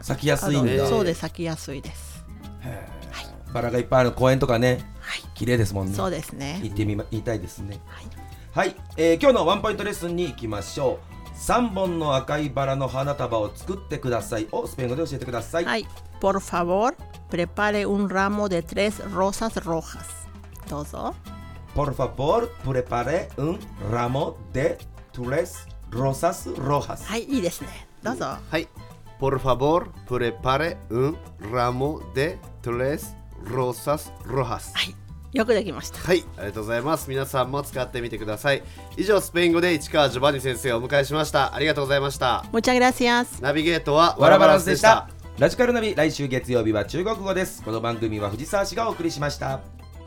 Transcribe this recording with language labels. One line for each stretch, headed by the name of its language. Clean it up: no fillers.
Japanese: い、咲きやすいんだ。そうで、咲きやすいです。へ、はい、バラがいっぱいある公園とかね、はい、綺麗ですもんね。そうですね、行ってみ、言いたいですね。はい、はい、今日のワンポイントレッスンに行きましょう。3本の赤いバラの花束を作ってくださいをスペイン語で教えてください。
Spanish: はい、 Por favor, prepare un ramo de tres rosas rojas.
Japanese: どうぞ。
Spanish: Por favor, prepare un ramo de tres rosas rojas.
Japanese: はい、いいですね、どうぞ。
Spanish: はい、 Por favor, prepare un ramo de tres rosas rojas.
Japanese: はい、よくできました。はい、ありがとうございます。皆さんも使ってみてください。以上、スペイン語で市川ジョバニ先生をお迎えしました。ありがとうございました。
Spanish: Muchas gracias。
Japanese: ナビゲートはワラバランスでした。ラジカルナビ、来週月曜日は中国語です。この番組は藤沢氏がお送りしました。